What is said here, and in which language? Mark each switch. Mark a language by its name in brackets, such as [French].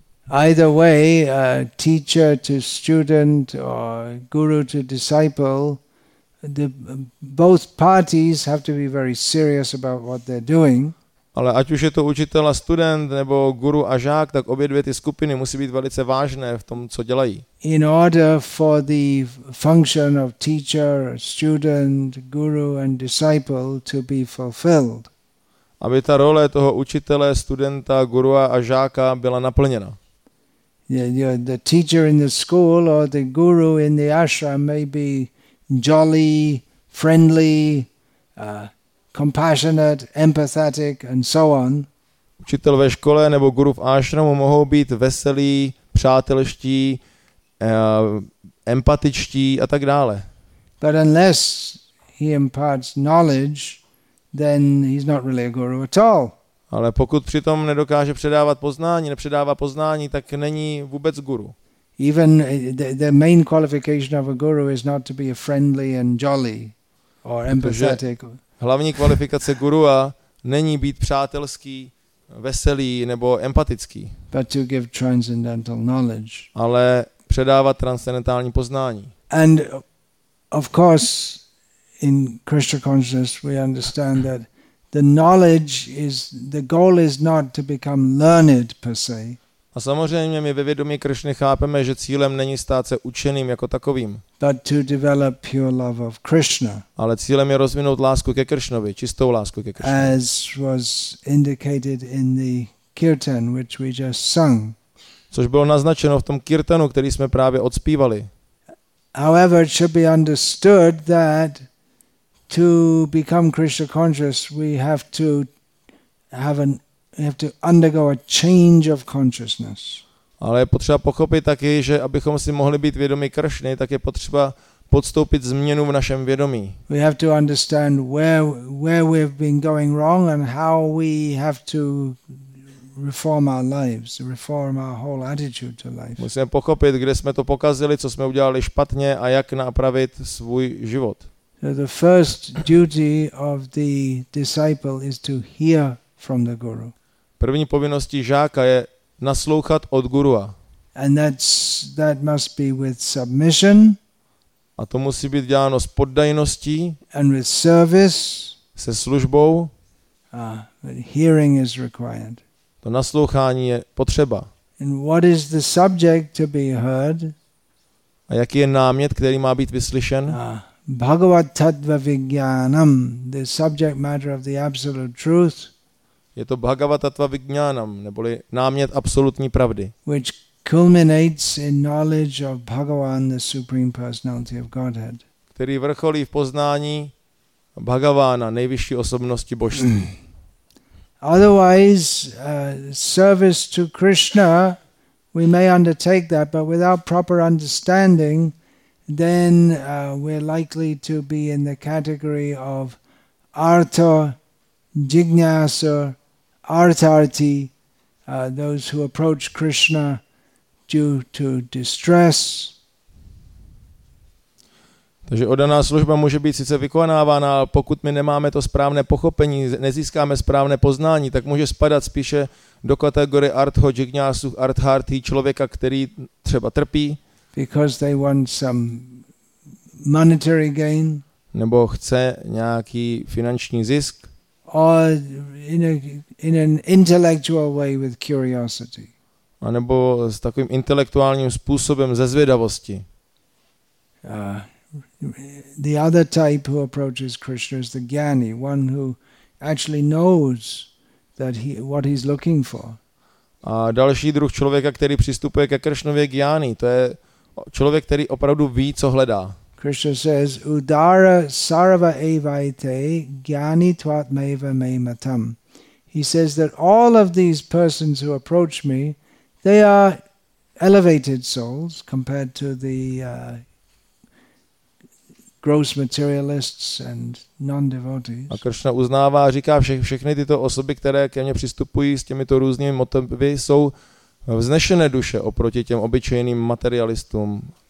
[English] Either way, teacher to student or guru to disciple, both parties have to be very serious about what they're doing. [Czech] Ale ať už je to učitel a student nebo guru a žák, tak obě dvě ty skupiny musí být velice vážné v tom, co dělají. [English] In order for the function of teacher, student, guru and disciple to be fulfilled. [Czech] Aby ta role toho učitele, studenta, guru a žáka byla naplněna. [English] The teacher in the school or the guru in the ashram may be jolly, friendly, compassionate, empathetic, and so on. [Czech] učitel ve škole nebo guru v ášramu mohou být veselí, přátelští, empatičtí a tak dále. [English] But unless he imparts knowledge, then he's not really a guru at all. [Czech] Ale pokud přitom nedokáže předávat poznání, nepředává poznání, tak není vůbec guru. [English] Even the main qualification of a guru is not to be a friendly and jolly or empathetic. [Czech] Hlavní kvalifikace gurua není být přátelský, veselý nebo empatický. [English] But to give transcendental knowledge. [Czech] Ale předávat transcendentální poznání. [English] And of course in Krishna consciousness we understand that the knowledge is the goal is not to become learned per se. [Czech] A samozřejmě my ve vědomí Krishny chápeme, že cílem není stát se učeným jako takovým. [English] But to develop pure love of Krishna. [Czech] Ale cílem je rozvinout lásku ke Krishnovi, čistou lásku ke Krishnovi. [English] As was indicated in the kirtan which we just sung. [Czech] Což bylo naznačeno v tom kirtanu, který jsme právě odspívali. [English] However, it should be understood that to become Krishna conscious, we have to undergo a change of consciousness. [Czech] Ale je potřeba pochopit taky, že abychom si mohli být vědomi Krishny, tak je potřeba podstoupit změnu v našem vědomí. [English] We have to understand where we've been going wrong and how we have to reform our lives, reform our whole attitude to life. [Czech] Musíme pochopit, kde jsme to pokazili, co jsme udělali špatně a jak napravit svůj život. [English] The first duty of the disciple is to hear from the guru. [Czech] První povinností žáka je naslouchat od gurua. [English] And that must be with submission. [Czech] A to musí být děláno s poddajností. [English] And with service. [Czech] Se službou. [English] Hearing is required. [Czech] To naslouchání je potřeba. [English] And what is the subject to be heard? [Czech] A jaký je námět, který má být vyslyšen? [English] Bhagavat tattva vijnanam, the subject matter of the absolute truth. [Czech] Je to Bhagavat tattva vijnanam, neboli námět absolutní pravdy. [English] Which culminates in knowledge of Bhagavan, the supreme personality of Godhead. [Czech] Který vrcholí v poznání Bhagavana, nejvyšší osobnosti božství. [English] Otherwise, service to Krishna, we may undertake that, but without proper understanding, then we're likely to be in the category of artha, jignasa, artharthi, those who approach Krishna due to distress. [Czech] Takže oddaná služba může být sice vykonávána, ale pokud my nemáme to správné pochopení, nezískáme správné poznání, tak může spadat spíše do kategorie artho, jignásu, arthárthi, člověka, který třeba trpí. [English] Because they want some monetary gain. [Czech] Nebo chce nějaký finanční zisk. [English] Or in an intellectual way with curiosity. [Czech] A nebo s takovým intelektuálním způsobem ze zvědavosti. [English] The other type who approaches Krishna is the gyani, one who actually knows that what he's looking for. [Czech] A další druh člověka, který přistupuje ke Krishnově, gyani, to je člověk, který opravdu ví, co hledá. [English] Krishna says, [Sanskrit] udara sarva evaite gyani tvatmeva me matam. [English] He says that all of these persons who approach me, they are elevated souls compared to the gross materialists and non-devotees. [Czech] A Krishna uznává, říká, všechny tyto osoby, které ke mně přistupují s těmito různými motivy, jsou vznešené duše oproti těm obyčejným materialistům.